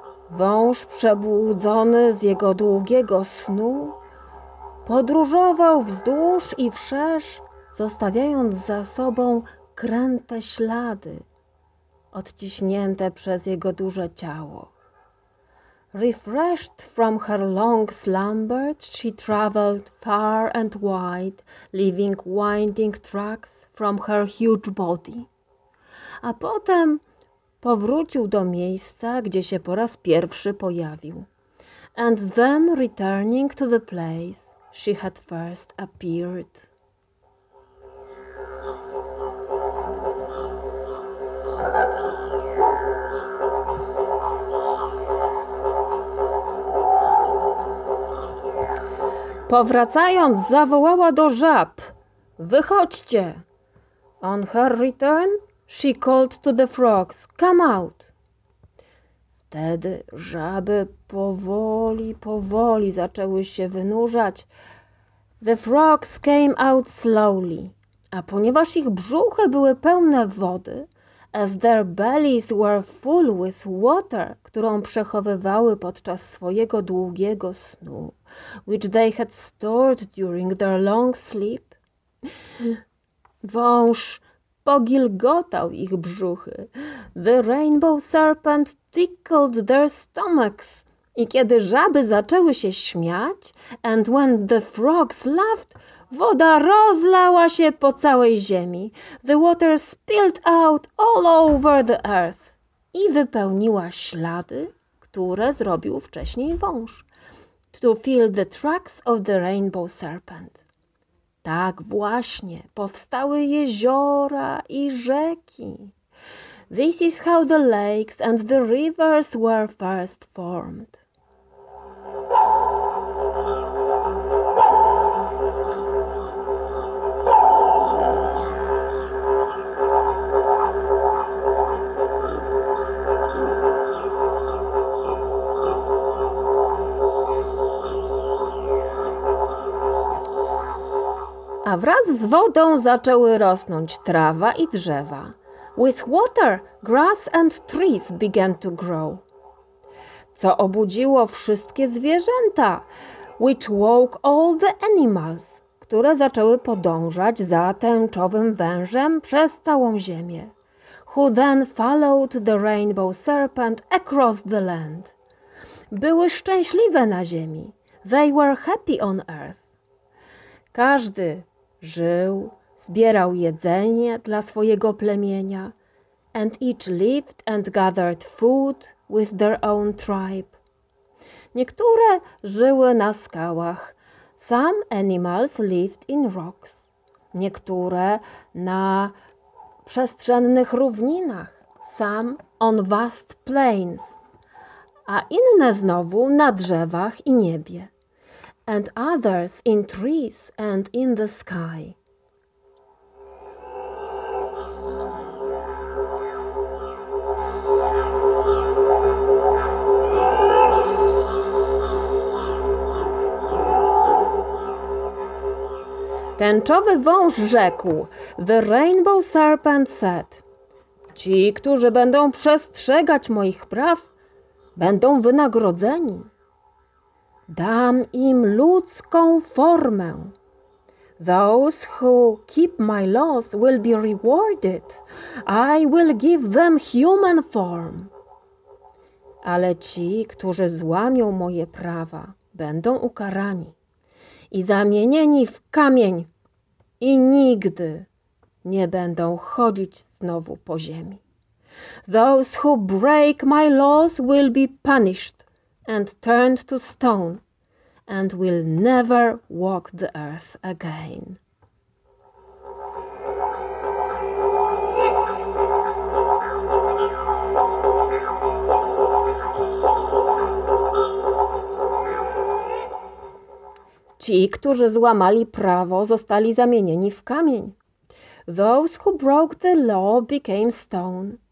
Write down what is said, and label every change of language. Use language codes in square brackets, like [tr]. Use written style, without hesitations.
[pl] Wąż przebudzony z jego długiego snu podróżował wzdłuż i wszerz, zostawiając za sobą kręte ślady odciśnięte przez jego duże ciało. [en] Refreshed from her long slumber, she traveled far and wide, leaving winding tracks from her huge body. [pl] A potem powrócił do miejsca, gdzie się po raz pierwszy pojawił. [en] And then returning to the place she had first appeared. [pl] Powracając, zawołała do żab: wychodźcie! [en] On her return, she called to the frogs, come out. [pl] Wtedy żaby powoli, powoli zaczęły się wynurzać. [en] The frogs came out slowly. [pl] A ponieważ ich brzuchy były pełne wody, [en] as their bellies were full with water, [pl] którą przechowywały podczas swojego długiego snu, [en] which they had stored during their long sleep, [pl] wąż pogilgotał ich brzuchy. [en] The rainbow serpent tickled their stomachs. [pl] I kiedy żaby zaczęły się śmiać, [en] and when the frogs laughed, [pl] woda rozlała się po całej ziemi. [en] The water spilled out all over the earth. [pl] I wypełniła ślady, które zrobił wcześniej wąż. [en] To fill the tracks of the rainbow serpent. [pl] Tak właśnie powstały jeziora i rzeki. [en] This is how the lakes and the rivers were first formed. [pl] A wraz z wodą zaczęły rosnąć trawa i drzewa. [en] With water, grass and trees began to grow. [pl] Co obudziło wszystkie zwierzęta, [en] which woke all the animals, [pl] które zaczęły podążać za tęczowym wężem przez całą ziemię. [en] Who then followed the rainbow serpent across the land. [pl] Były szczęśliwe na ziemi. [en] They were happy on earth. [pl] Każdy żył, zbierał jedzenie dla swojego plemienia, [en] and each lived and gathered food with their own tribe. [pl] Niektóre żyły na skałach, [en] some animals lived in rocks. [pl] Niektóre na przestrzennych równinach, [en] some on vast plains. [pl] A inne znowu na drzewach i niebie. [en] And others in trees and in the sky. [pl] Tęczowy wąż rzekł, [en] The Rainbow Serpent said, [pl] Ci, którzy będą przestrzegać moich praw, będą wynagrodzeni. Dam im ludzką formę. [en] Those who keep my laws will be rewarded. I will give them human form. [pl] Ale ci, którzy złamią moje prawa, będą ukarani i zamienieni w kamień i nigdy nie będą chodzić znowu po ziemi. [en] Those who break my laws will be punished and turned to stone and will never walk the earth again. [pl] Ci, którzy złamali prawo, zostali zamienieni w kamień. [en] Those who broke the law became stone.